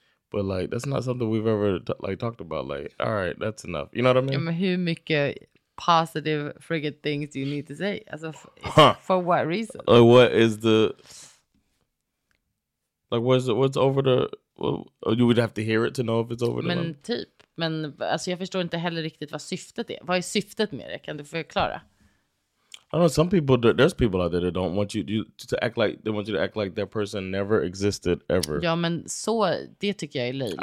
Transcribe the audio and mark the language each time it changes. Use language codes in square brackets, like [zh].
[en] But, like, that's not something we've ever talked about. Like, all right, that's enough. You know what I mean? [sv] Ja, men hur mycket [en] positive friggin' things do you need to say? Alltså, for what reason? Like, what is the... Like, what's over the... Well, you would have to hear it to know if it's over the... [sv] Men line. Typ. Men alltså, jag förstår inte heller riktigt vad syftet är. Vad är syftet med det? Kan du förklara? [en] I don't know, some people, there's people out there that don't want you to act like, they want you to act like that person never existed ever. [sv] Ja, men så, det tycker jag är löjligt.